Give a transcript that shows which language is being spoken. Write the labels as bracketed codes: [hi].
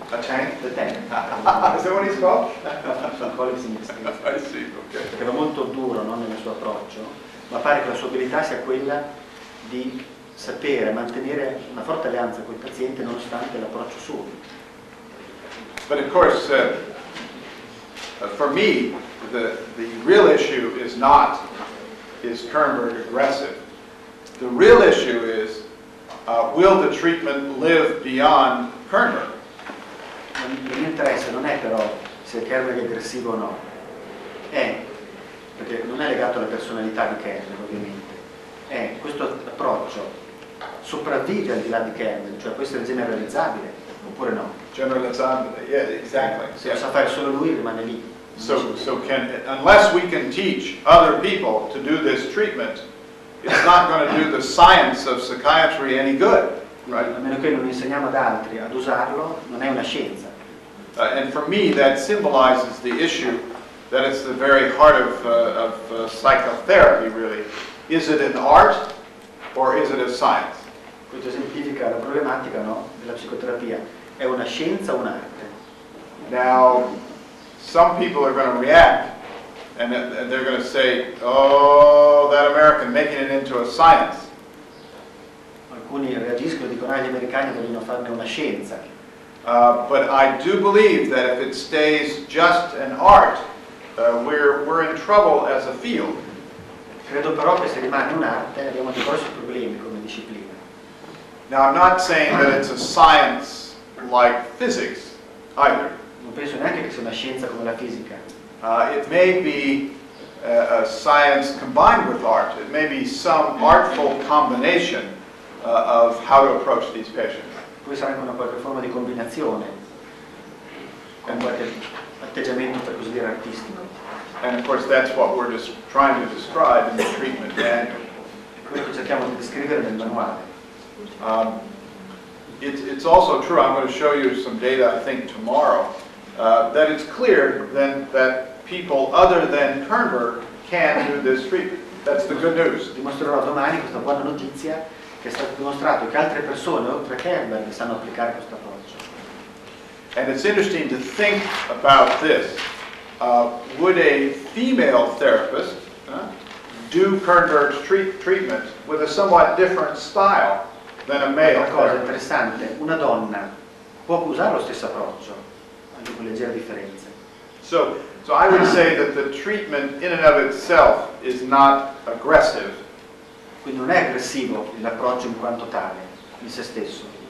[en] A tank? The tank. Is that what he's called? [it] Sancoli sinistra. [en] I see, okay. [it] Perché era molto duro, no, nel suo approccio, ma pare che la sua abilità sia quella di sapere, mantenere una forte alleanza con il paziente nonostante l'approccio suo. [en] But of course, for me, the real issue is not, is Kernberg aggressive? The real issue is, will the treatment live beyond Kernberg? [it] Il mio interesse non è però se Kernberg è aggressivo o no. Perché non è legato alla personalità di Kernberg, ovviamente. Questo approccio sopravvive al di là di Kernberg, cioè può essere generalizzabile oppure no? Generalizzabile, [en] yeah, exactly. [it] Se lo sa fare solo lui, rimane lì. [en] Unless we can teach other people to do this treatment, it's not going to do the science of psychiatry any good, right? [it] A meno che non insegniamo ad altri ad usarlo, non è una scienza. [en] And for me, that symbolizes the issue that it's the very heart of psychotherapy, really. Is it an art? Or is it a science? [it] Questo esemplifica la problematica, no, della psicoterapia. È una scienza o un'arte? [en] Now, some people are going to react, and they're going to say, oh, that American making it into a science. [it] Alcuni reagiscono, dicono, gli americani vogliono farne una scienza. [en] But I do believe that if it stays just an art, we're in trouble as a field. [it] Credo però che se rimane un'arte abbiamo dei grossi problemi come disciplina. [en] Now I'm not saying that it's a science like physics either. [it] Non penso neanche che sia una scienza come la fisica. [en] It may be a science combined with art. It may be some artful combination of how to approach these patients. [it] Può essere anche una qualche forma di combinazione con qualche atteggiamento, per così dire, artistico. [en] And of course that's what we're just trying to describe in the treatment manual. [it] Quello che cerchiamo di descrivere nel manuale. [en] It's also true, I'm going to show you some data I think tomorrow, that it's clear then that people other than Kernberg can do this treatment. That's the good news. [it] Dimostrerò domani questa buona notizia che è stato dimostrato che altre persone oltre Kernberg sanno applicare questo approccio. [en] And it's interesting to think about this. Would a female therapist do Kernberg's treatment with a somewhat different style than a male therapist? [it] Una cosa interessante, una donna può usare lo stesso approccio, anche con leggere differenze. [en] So I would say that the treatment in and of itself is not aggressive. [it] Quindi non è aggressivo l'approccio in quanto tale, in se stesso.